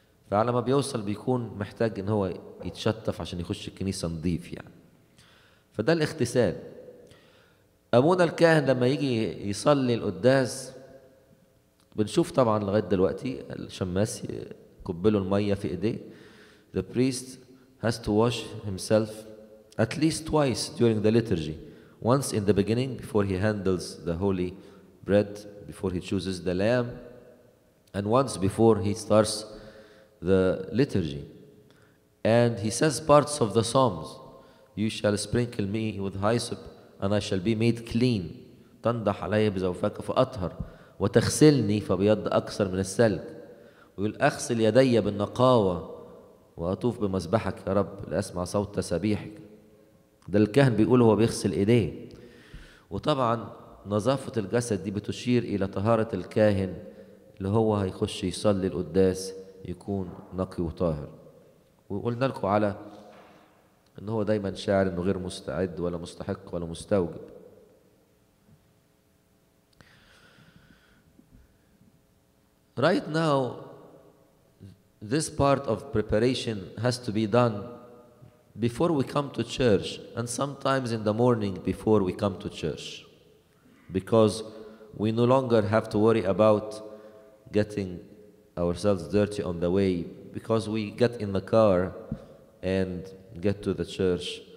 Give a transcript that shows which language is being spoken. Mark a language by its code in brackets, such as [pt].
[ar] فعلى ما بيوصل بيكون محتاج ان هو يتشطف عشان يخش الكنيسة نظيف يعني. فده الاغتسال. ابونا الكاهن لما يجي يصلي القداس بنشوف طبعا لغاية دلوقتي الشماس يكبله المية في ايديه. [en] The priest has to wash himself at least twice during the liturgy. Once in the beginning before he handles the holy bread, before he chooses the lamb, and once before he starts the liturgy. And he says parts of the psalms. You shall sprinkle me with hyssop and I shall be made clean. [ar] تنضح علي بزوفك فأطهر وتغسلني فبيض أكثر من السلك. ويقول أغسل يدي بالنقاوة وأطوف بمذبحك يا رب لأسمع صوت تسبيحك. ده الكاهن بيقول هو بيغسل إيديه. وطبعا نظافة الجسد دي بتشير إلى طهارة الكاهن اللي هو هيخش يصلي القداس يكون نقي وطاهر. وقلنا لكم على أنه هو دايما شاعر أنه غير مستعد ولا مستحق ولا مستوجب. [en] Right now, this part of preparation has to be done before we come to church and sometimes in the morning before we come to church, because we no longer have to worry about getting ourselves dirty on the way, because we get in the car and get to the church.